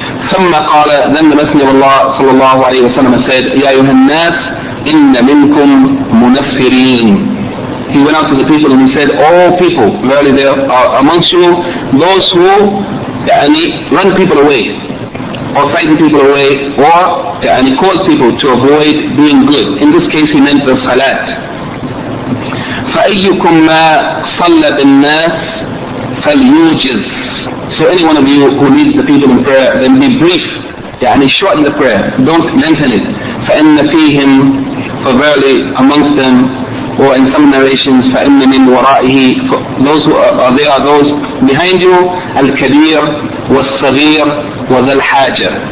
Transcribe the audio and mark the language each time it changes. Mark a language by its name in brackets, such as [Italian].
[Arabic] ثُمَّ قَالَ [English] Then the Messenger of Allah صلى الله عليه وسلم said, [Arabic] يَا أَيُّهَا النَّاسِ إِنَّ مِنْكُمْ مُنَفِّرِينَ. [English] He went out to the people and he said, O people, verily there are amongst you those who يعني run people away or frighten people away or يعني call people to avoid being good. In this case he meant the salat. [Arabic] فأيكم ما صلى بالناس فليوجز. [English] So any one of you who leads the people in prayer, then be brief. يعني shorten the prayer, don't lengthen it. [Arabic] فإن فيهم, [English] for verily amongst them, or in some narrations, [Arabic] فإن من ورائه, [English] those who are, they are those behind you, [Arabic] الكبير والصغير وذا الحاجة.